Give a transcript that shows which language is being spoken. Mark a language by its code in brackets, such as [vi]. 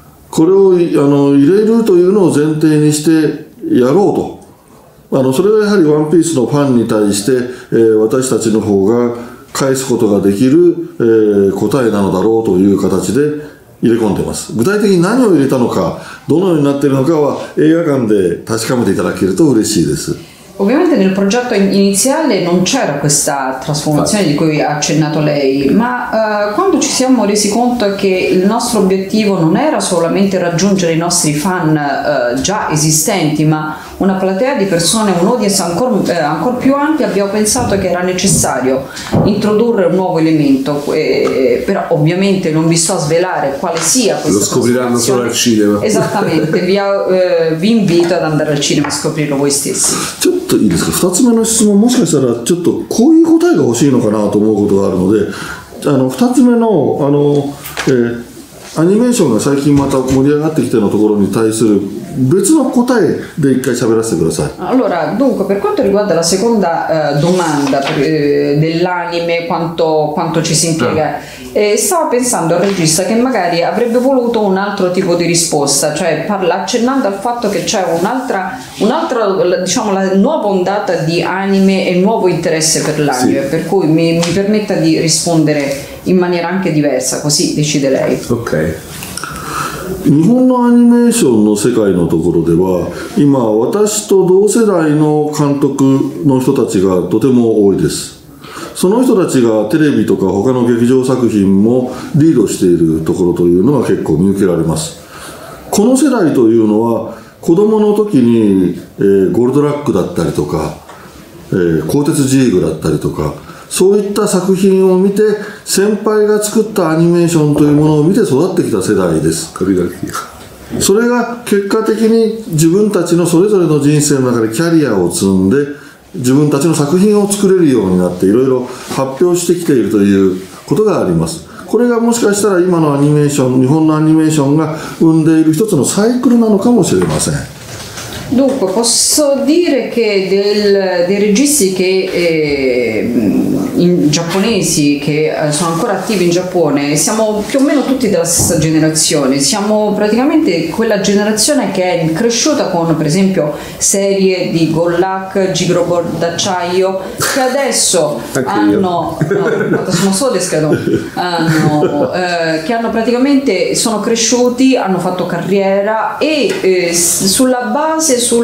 [ja] これを入れるというのを前提にしてやろうと、それはやはりワンピースのファンに対して、私たちの方が返すことができる、答えなのだろうという形で入れ込んでます。具体的に何を入れたのか、どのようになっているのかは映画館で確かめていただけると嬉しいです。 [it] Ovviamente nel progetto iniziale non c'era questa trasformazione di cui ha accennato lei, ma quando ci siamo resi conto che il nostro obiettivo non era solamente raggiungere i nostri fan già esistenti, ma una platea di persone, un audience ancora più ampia, abbiamo pensato che era necessario introdurre un nuovo elemento, però ovviamente non vi sto a svelare quale sia questa. Lo scopriranno solo al cinema. Esattamente, vi invito ad andare al cinema a scoprirlo voi stessi. [ja] いいですか。2つ目の質問、もしかしたらちょっとこういう答えが欲しいのかなと思うことがあるので、2つ目のアニメーションが最近また盛り上がってきてのところに対する別の答えで一回喋らせてください。 [it] Allora, dunque, per quanto riguarda la seconda domanda dell'anime, quanto ci si impiega, stavo pensando al regista che magari avrebbe voluto un altro tipo di risposta, cioè accennando al fatto che c'è un'altra diciamo la nuova ondata di anime e nuovo interesse per l'anime, sì. Per cui mi permetta di rispondere in maniera anche diversa, così decide lei. Ok. [ja] 日本のアニメーションの世界のところでは今私と同世代の監督の人たちがとても多いです。その人たちがテレビとか他の劇場作品もリードしているところというのが結構見受けられます。この世代というのは子供の時に、ゴールドラックだったりとか、鋼鉄ジーグだったりとか、そういった作品を見て先輩が作ったアニメーションというものを見て育ってきた世代です。それが結果的に自分たちのそれぞれの人生の中でキャリアを積んで自分たちの作品を作れるようになっていろいろ発表してきているということがあります。これがもしかしたら今のアニメーション、日本のアニメーションが生んでいる一つのサイクルなのかもしれません。 [it] Dunque, posso dire che dei registi che giapponesi che sono ancora attivi in Giappone, siamo più o meno tutti della stessa generazione, siamo praticamente quella generazione che è cresciuta con per esempio serie di Good Luck, Jigoro Kōro d'acciaio, che adesso hanno, no, solo descredo, hanno, che hanno praticamente, sono cresciuti, hanno fatto carriera e sulla base